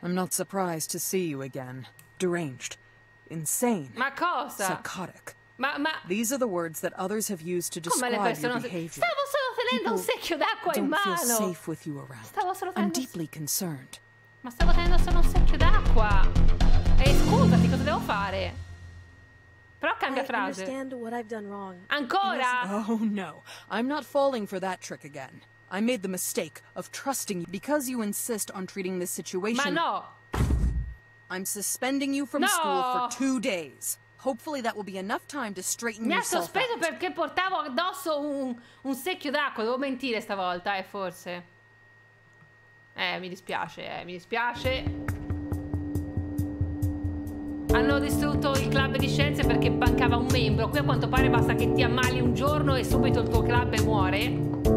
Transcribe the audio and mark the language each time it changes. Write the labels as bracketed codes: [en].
[en] I'm not surprised to see you again. Deranged. Insane. [it] Ma cosa? [en] Psychotic. [it] Ma... [en] These are the words that others have used to describe your behavior. [it] Stavo solo tenendo un secchio d'acqua in mano! [en] Don't feel safe with you around. [it] Stavo solo tenendo... [en] I'm deeply concerned. [it] Ma stavo tenendo solo un secchio d'acqua. Scusati, cosa devo fare? Però cambia frase. Ancora? [en] Oh no, I'm not falling for that trick again. I made the mistake of trusting you because you insist on treating this situation. [it] Ma no. [en] I'm suspending you from school for 2 days. Hopefully that will be enough time to straighten yourself out. [it] Mi ha sospeso perché portavo addosso un secchio d'acqua. Devo mentire stavolta, forse. Mi dispiace. Hanno distrutto il club di scienze perché mancava un membro. Qui a quanto pare basta che ti ammali un giorno e subito il tuo club muore.